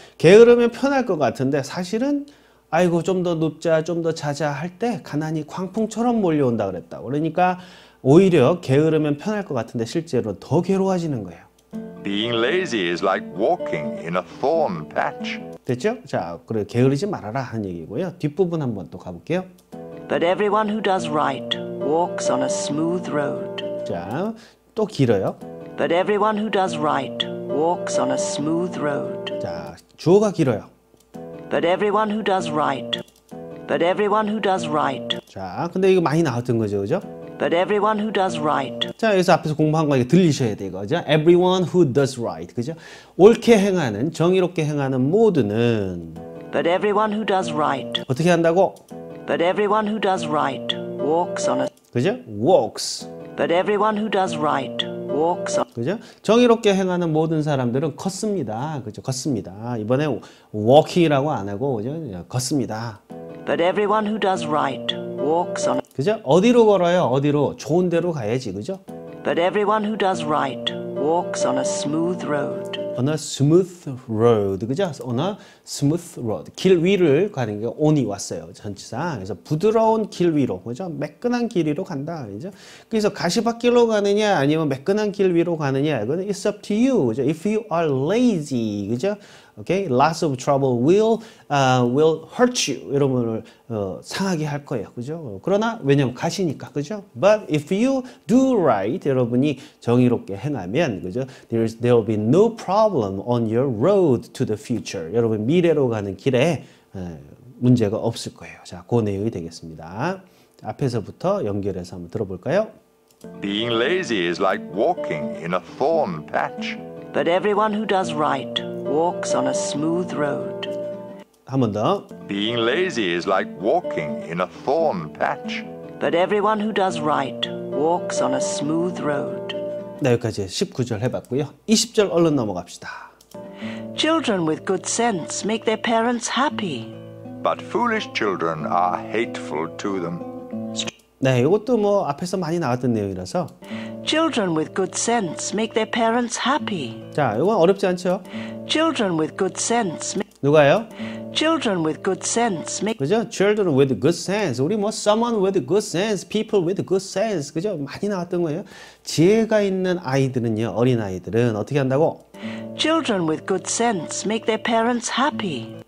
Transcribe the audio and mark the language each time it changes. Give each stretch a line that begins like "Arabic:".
Korean: 게으르면 편할 것 같은데 사실은 아이고 좀 더 눕자 좀 더 자자 할 때 가난이 광풍처럼 몰려온다 그랬다. 그러니까 오히려 게으르면 편할 것 같은데 실제로 더 괴로워지는 거예요.
English: Being lazy is like walking in a thorn patch.
Korean: 됐죠? 자, 그래 게으르지 말아라 하는 얘기고요. 뒷부분 한번 또 가볼게요.
English: But everyone who does right walks on a smooth road.
Korean: 자, 또 길어요.
English: But everyone who does right walks on a smooth road.
Korean: 자, 주어가 길어요.
English: But everyone who does right. But everyone who does right.
Korean: 자, 근데 이거 많이 나왔던 거죠, 그죠?
English: But everyone who does right.
Korean: 자, 여기서 앞에서 공부한 거 들리셔야 돼요. 그죠?
English: Everyone who does right. 그죠?
Korean: 옳게 행하는, 정의롭게 행하는 모두는.
English: But everyone who does right.
Korean: 어떻게 한다고?
English: But everyone who does right walks on a.
Korean: 그죠? Walks.
English: But everyone who does right walks on.
Korean: 그죠? 정의롭게 행하는 모든 사람들은 걷습니다. 그죠? 걷습니다. 이번에 walking이라고 안 하고 그죠? 걷습니다.
English: But everyone who does right walks on.
Korean: 그죠? 어디로 걸어요? 어디로? 좋은 데로 가야지, 그죠?
English: But everyone who does right walks on a smooth road. On a smooth road,
Korean: 그죠?
English: On a smooth road.
Korean: 길 위를 가는 게 on이 왔어요, 전치사. 그래서 부드러운 길 위로, 그죠? 매끈한 길 위로 간다, 그죠? 그래서 가시밭길로 가느냐, 아니면 매끈한 길 위로 가느냐, 이건
English: it's up to you,
Korean: 그죠?
English: If you are lazy,
Korean: 그죠?
English: Okay, lots of trouble will hurt you.
Korean: 여러분을 상하게 할 거예요, 그죠? 그러나 왜냐면 가시니까, 그죠?
English: But if you do right,
Korean: 여러분이 정의롭게 행하면, 그죠?
English: There will be no problem on your road to the future.
Korean: 여러분 미래로 가는 길에 문제가 없을 거예요. 자, 그 내용이 되겠습니다. 앞에서부터 연결해서 한번 들어볼까요?
English: Being lazy is like walking in a thorn patch. But everyone who does right walks on a smooth road.
Korean: 한 번 더.
English: Being lazy is like walking in a thorn patch. But everyone who does right walks on a smooth road.
Korean: 네, 여기까지 19절 해봤고요. 20절 얼른 넘어갑시다.
English: Children with good sense make their parents happy. But foolish children are hateful to them.
Korean: 네, 이것도 뭐 앞에서 많이 나왔던 내용이라서.
English: Children with good sense make their parents happy.
Korean: 자, 이건 어렵지 않죠?
English: Children with good sense.
Korean: 누가요?
English: Children with good sense.
Korean: 그죠?
English: Children with good sense.
Korean: 우리 뭐
English: someone with good sense, people with good sense.
Korean: 그죠? 많이 나왔던 거예요. 지혜가 있는 아이들은요. 어린 아이들은 어떻게 한다고?
English: Children with good sense make their parents happy.